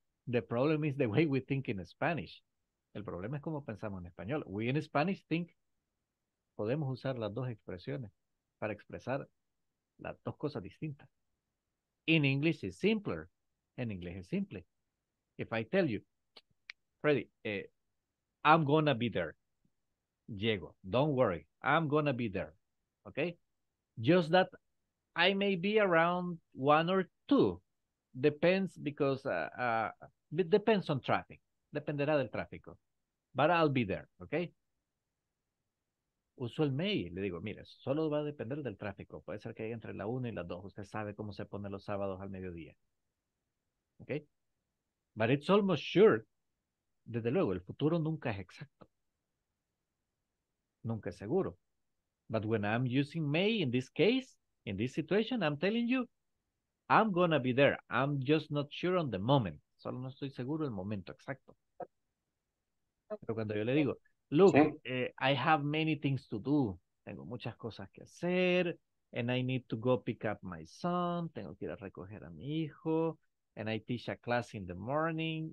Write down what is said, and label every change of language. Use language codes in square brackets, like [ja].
[en] The problem is the way we think in Spanish. [es] El problema es cómo pensamos en español. [en] We in Spanish think. [es] Podemos usar las dos expresiones para expresar las dos cosas distintas. [en] In English is simpler. [es] En inglés es simple. [en] If I tell you, Freddy, I'm gonna be there. [es] Llego. [en] Don't worry. I'm gonna be there. Okay? Just that I may be around 1 or 2. Depends because it depends on traffic. [es] Dependerá del tráfico. [en] But I'll be there, okay? [es] Uso el may. Le digo, mire, solo va a depender del tráfico. Puede ser que haya entre la 1 y la 2. Usted sabe cómo se pone los sábados al mediodía. Okay? [en] But it's almost sure. [es] Desde luego, el futuro nunca es exacto. Nunca es seguro. [en] But when I'm using may in this case, in this situation, I'm telling you, I'm gonna be there. I'm just not sure on the moment. [es] Solo no estoy seguro el momento exacto. Pero cuando yo le digo, [en] look, I have many things to do. [es] Tengo muchas cosas que hacer. [en] And I need to go pick up my son. [es] Tengo que ir a recoger a mi hijo. [en] And I teach a class in the morning.